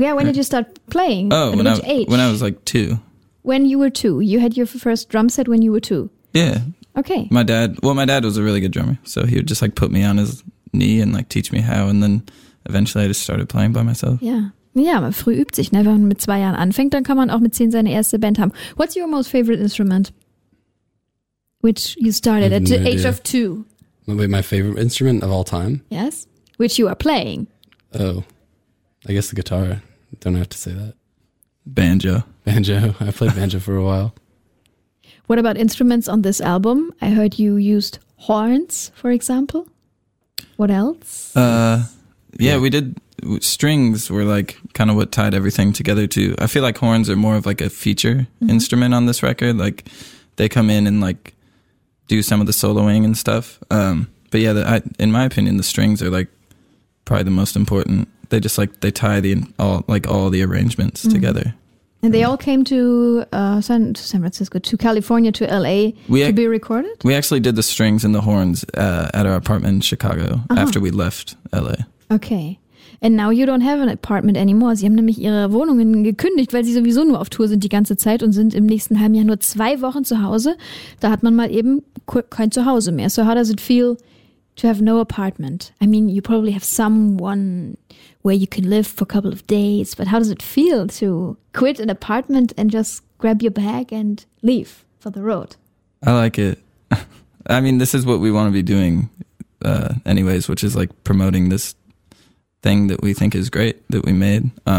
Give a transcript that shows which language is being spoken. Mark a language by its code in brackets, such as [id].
[en] Yeah, when did you start playing? Oh, at age? When I was like 2. When you were 2. You had your first drum set when you were 2. Yeah. Okay. My dad was a really good drummer. So he would just like put me on his knee and like teach me how. And then eventually I just started playing by myself. [de] Yeah. Ja, man früh übt sich, ne? Wenn man mit 2 Jahren anfängt, dann kann man auch mit 10 seine erste Band haben. [en] What's your most favorite instrument? Which you started at the age of 2. Wait, my favorite instrument of all time? Yes. Which you are playing. Oh, I guess the guitar. Don't have to say that. Banjo. Banjo. I played banjo for a while. What about instruments on this album? I heard you used horns, for example. What else? We did. Strings were like kind of what tied everything together too. I feel like horns are more of like a feature mm-hmm. instrument on this record. Like they come in and like do some of the soloing and stuff. In my opinion, the strings are like probably the most important. They just like they tie the all the arrangements mm-hmm. together, and they all came to San Francisco, to California, to L.A. to be recorded. We actually did the strings and the horns at our apartment in Chicago uh-huh. after we left L.A. Okay, and now you don't have an apartment anymore. [de] Sie haben nämlich ihre Wohnungen gekündigt, weil sie sowieso nur auf Tour sind die ganze Zeit und sind im nächsten halben Jahr nur 2 Wochen zu Hause. Da hat man mal eben kein Zuhause mehr. [en] So how does it feel to have no apartment? I mean, you probably have someone where you can live for a couple of days, but how does it feel to quit an apartment and just grab your bag and leave for the road? I like it. I mean, this is what we want to be doing anyways, which is like promoting this thing that we think is great that we made.